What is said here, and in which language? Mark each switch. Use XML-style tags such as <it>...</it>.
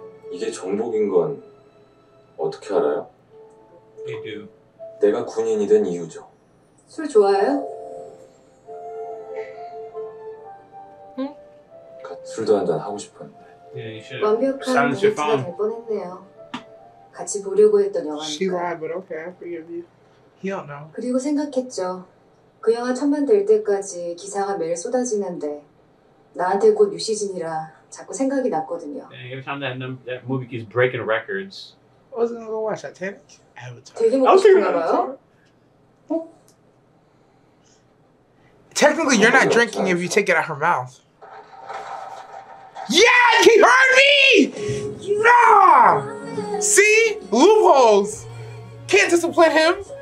<ko>이게 정복인 건 어떻게 알아요?</ko> <en>I do.</en> <ko>내가 군인이 된 이유죠. 술 좋아해요? 응? 술도 한잔 하고 싶었는데.</ko> <en>Yeah, you should.</en> <ko>완벽한 데이트가 될 뻔했네요. 같이 보려고 했던 영화니까.</ko> <en>She lied, but okay, I forgive you. He don't know.</en> <ko>그리고 생각했죠. 그 영화 천만 될 때까지 기사가 매일 쏟아지는데 나한테 곧 유시진이라. 자꾸 생각이 났거든요.</ko> <en>Yeah, every time that movie keeps breaking records. I was gonna go watch Titanic. Avatar.</en> <ko>되게 먹고 싶은가봐요? 어?</ko> <en>Technically, you're not drinking if you take it out her mouth. Yeah, he heard me! Nah! See? Loopholes! Can't discipline him!</en>